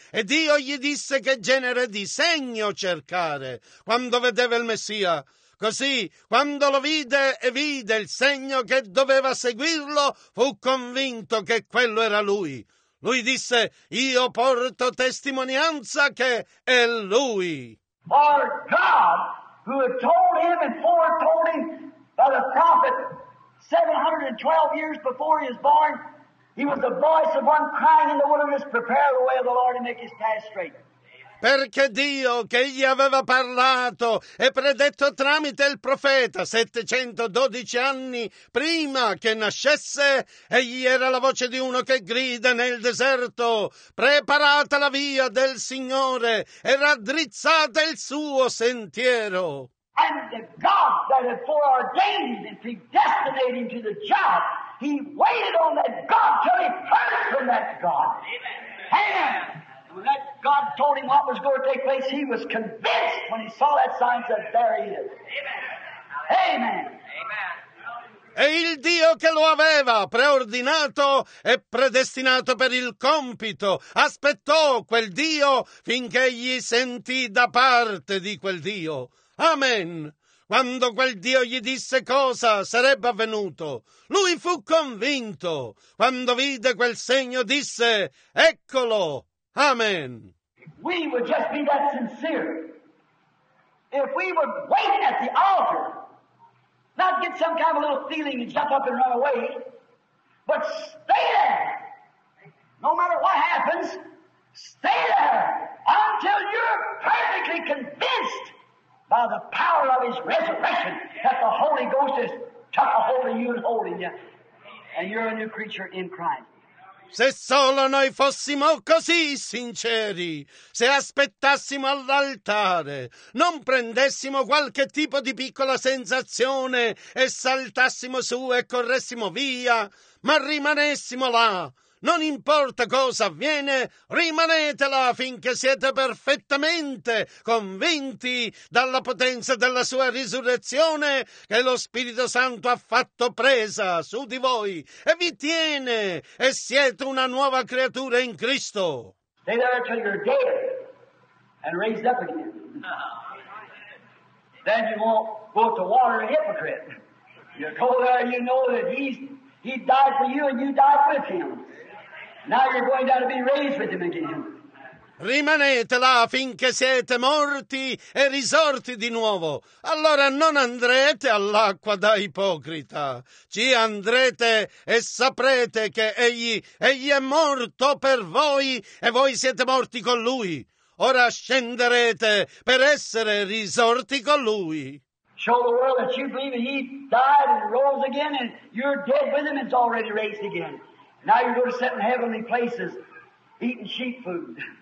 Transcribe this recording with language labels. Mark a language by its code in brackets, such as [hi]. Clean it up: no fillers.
[it] E Dio gli disse che genere di segno cercare quando vedeva il Messia. Così, quando lo vide e vide il segno che doveva seguirlo, fu convinto che quello era lui. Lui disse, "Io porto testimonianza che è lui." [en] Our God, who had told him and foretold him by the prophet 712 years before he was born, he was the voice of one crying in the wilderness, "Prepare the way of the Lord and make his path straight." [it] Perché Dio, che gli aveva parlato e predetto tramite il profeta 712 anni prima che nascesse, egli era la voce di uno che grida nel deserto, preparata la via del Signore e raddrizzata il suo sentiero. [en] And the God that had foreordained and predestinated him to the job, he waited on that God till he heard from that God. Amen. Amen. When that God told him what was going to take place, he was convinced when he saw that sign, said, "There he is." Amen. Amen. Amen. [it] E il Dio che lo aveva preordinato e predestinato per il compito aspettò quel Dio finché gli sentì da parte di quel Dio. Amen. Quando quel Dio gli disse cosa sarebbe avvenuto, lui fu convinto. Quando vide quel segno, disse, "Eccolo." Amen. [en] We would just be that sincere. If we would wait at the altar, not get some kind of little feeling and jump up and run away, but stay there no matter what happens, stay there until you're perfectly convinced by the power of His resurrection that the Holy Ghost has took a hold of you and holding you, and you're a new creature in Christ. [it] Se solo noi fossimo così sinceri, se aspettassimo all'altare, non prendessimo qualche tipo di piccola sensazione e saltassimo su e corressimo via, ma rimanessimo là. Non importa cosa avviene, rimanete là finché siete perfettamente convinti dalla potenza della sua risurrezione che lo Spirito Santo ha fatto presa su di voi e vi tiene e siete una nuova creatura in Cristo. [en] Stay there until you're dead and raised up again. Then you won't go to water a hypocrite. You go there and you know that he died for you and you died with him. Now you're going down to be raised with him again. [it] Rimanete là finché siete morti e risorti di nuovo. Allora non andrete all'acqua da ipocrita. Ci andrete e saprete che egli è morto per voi e voi siete morti con lui. Ora scenderete per essere risorti con lui. [en] Show the world that you believe he died and rose again and you're dead with him and it's already raised again. Now you're going to sit in heavenly places, eating sheep food.